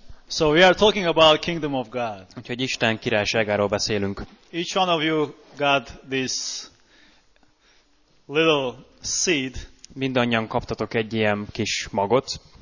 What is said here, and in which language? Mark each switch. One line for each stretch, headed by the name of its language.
English: So we are talking about kingdom of God.
Hungarian: Úgyhogy Isten királyságáról beszélünk.
English: Each one of you got this little seed.
Hungarian: Mindannyian kaptatok egy ilyen kis magot.